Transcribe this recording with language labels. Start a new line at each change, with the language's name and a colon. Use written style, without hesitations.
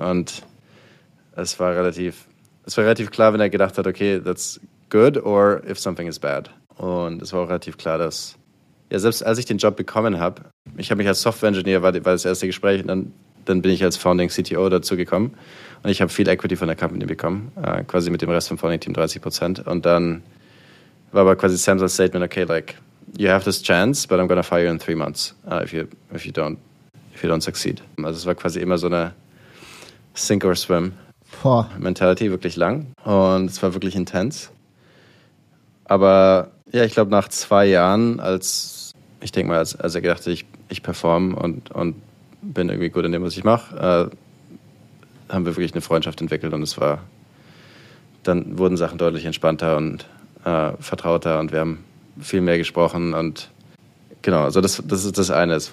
German: Und es war relativ klar, wenn er gedacht hat, okay,
English: that's good or if something is bad.
German: Und es war auch relativ klar, dass, ja, selbst als ich den Job bekommen habe, ich habe mich als Software-Engineer, war das erste Gespräch, und dann bin ich als Founding CTO dazu gekommen und ich habe viel Equity von der Company bekommen, quasi mit dem Rest vom Founding Team 30%. Und dann war aber quasi Sam's Statement,
English: okay, like, you have this chance, but I'm gonna fire you in 3 months, if you don't succeed.
German: Also es war quasi immer so eine
English: sink or swim
German: Mentality, wirklich lang. Und es war wirklich intens. Aber ja, ich glaube, nach zwei Jahren, als er gedacht hat, ich performe und bin irgendwie gut in dem, was ich mache, haben wir wirklich eine Freundschaft entwickelt und dann wurden Sachen deutlich entspannter und vertrauter und wir haben viel mehr gesprochen und genau, also das ist das eine.